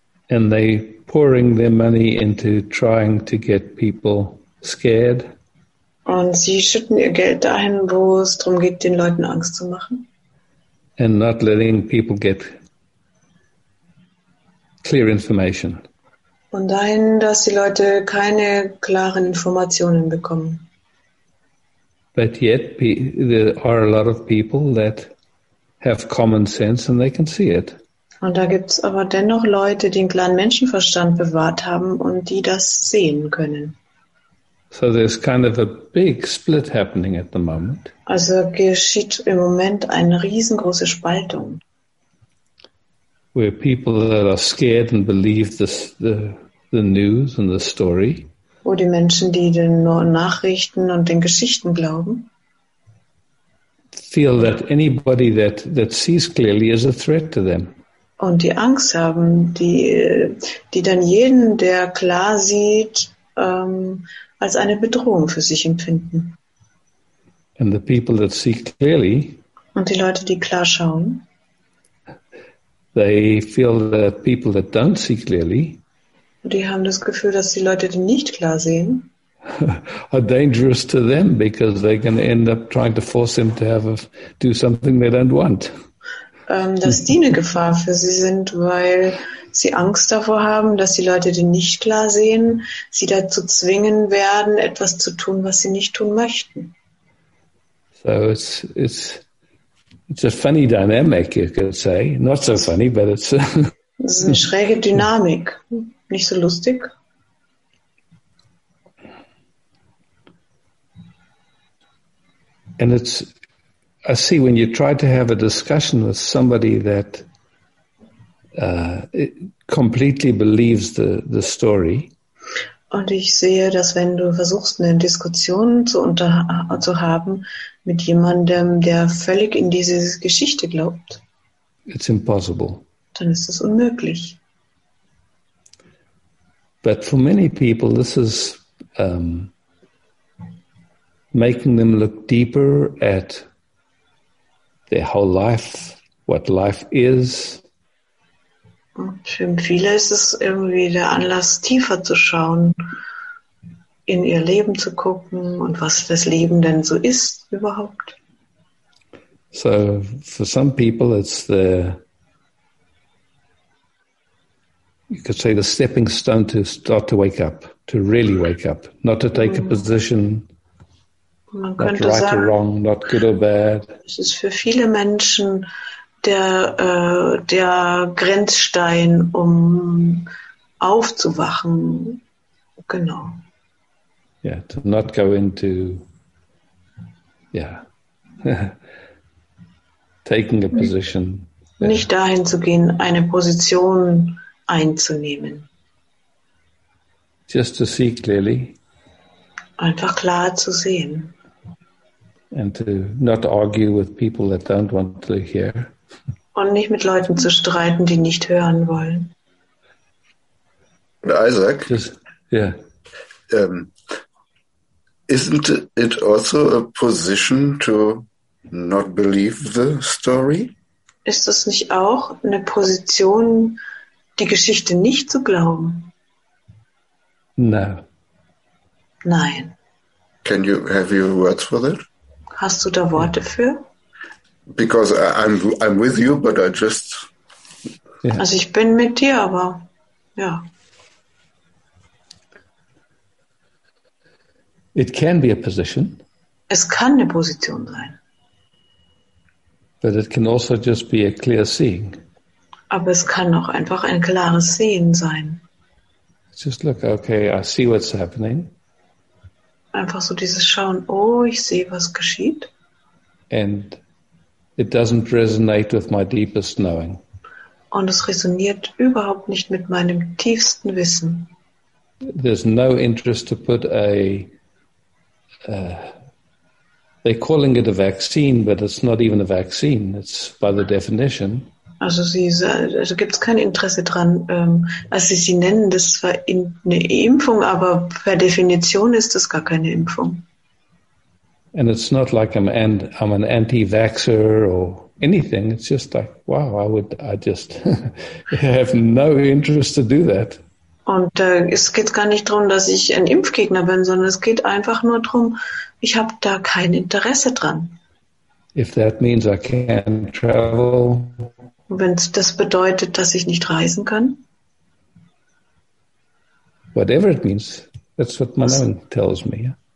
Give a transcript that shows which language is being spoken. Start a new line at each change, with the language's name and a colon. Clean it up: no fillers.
English: And they pouring their money into trying to get people scared.
German: Und sie schütten ihr Geld dahin, wo es darum geht, den Leuten Angst zu machen.
English: And not letting people get clear information.
German: Und dahin, dass die Leute keine klaren Informationen bekommen.
English: But yet there are a lot of people that have common sense and they can see it.
German: Und da gibt's aber dennoch Leute, die einen kleinen Menschenverstand bewahrt haben und die das sehen können.
English: So there's kind of a big split happening at the moment.
German: Also geschieht im Moment eine riesengroße Spaltung.
English: Where people that are scared and believe the news and the story.
German: Wo die Menschen, die den Nachrichten und den Geschichten glauben,
English: feel that anybody that sees clearly is a threat to them.
German: Und die Angst haben, die dann jeden, der klar sieht, als eine Bedrohung für sich empfinden.
English: And the people that see clearly,
German: und die Leute, die klar schauen,
English: they feel that people that don't see clearly,
German: die haben das Gefühl, dass die Leute, die nicht klar sehen,
English: are dangerous to them, because they're going to end up trying to force them to have do something they don't want.
German: Dass die eine Gefahr für sie sind, weil sie Angst davor haben, dass die Leute, die nicht klar sehen, sie dazu zwingen werden, etwas zu tun, was sie nicht tun möchten.
English: So it's a funny dynamic, you could say. Not so funny, but it's.
German: Das ist eine schräge Dynamik. Nicht so lustig.
English: And it's. I see when you try to have a discussion with somebody that completely believes the story.
German: Und ich sehe, dass wenn du versuchst, eine Diskussion zu haben mit jemandem, der völlig in diese Geschichte glaubt,
English: it's impossible.
German: Dann ist es unmöglich.
English: But for many people, this is making them look deeper at their whole life, what life is.
German: Für viele ist es irgendwie der Anlass, tiefer zu schauen in ihr Leben zu gucken und was das Leben denn so ist überhaupt.
English: So for some people it's the, you could say, the stepping stone to start to wake up, to really wake up, not to take a position.
German: Man könnte sagen,
English: not right or wrong, not good or bad.
German: Es ist für viele Menschen der Grenzstein, um aufzuwachen. Genau.
English: Yeah, to not go into, yeah, taking a position.
German: Nicht dahin zu gehen, eine Position einzunehmen.
English: Just to see clearly.
German: Einfach klar zu sehen.
English: And to not argue with people that don't want to hear.
German: Und nicht mit Leuten zu streiten, die nicht hören wollen.
English: Isaac? Just, yeah. Isn't it also a position to not believe the story?
German: Ist es nicht auch eine Position, die Geschichte nicht zu glauben?
English: No.
German: Nein.
English: Can you have your words for that?
German: Hast du da Worte für?
English: Because I'm with you, but I just.
German: Yeah. Also ich bin mit dir, aber ja.
English: It can be a position.
German: Es kann eine Position sein.
English: But it can also just be a clear seeing.
German: Aber es kann auch einfach ein klares Sehen sein.
English: Just look, okay, I see what's happening.
German: Einfach so dieses Schauen, oh, ich sehe, was geschieht.
English: And it doesn't resonate with my deepest knowing.
German: Und es resoniert überhaupt nicht mit meinem tiefsten Wissen.
English: There's no interest to put a they're calling it a vaccine, but it's not even a vaccine. It's by the definition.
German: Also gibt es kein Interesse dran. Also sie nennen das zwar eine Impfung, aber per Definition ist das gar keine Impfung.
English: And it's not like I'm an anti-vaxxer or anything. It's just like, wow, I just have no interest to do that.
German: Und es geht gar nicht darum, dass ich ein Impfgegner bin, sondern es geht einfach nur darum, ich habe da kein Interesse dran.
English: If that means I can't travel.
German: Wenn das bedeutet, dass ich nicht reisen kann.
English: Whatever it means, that's what my knowing tells me.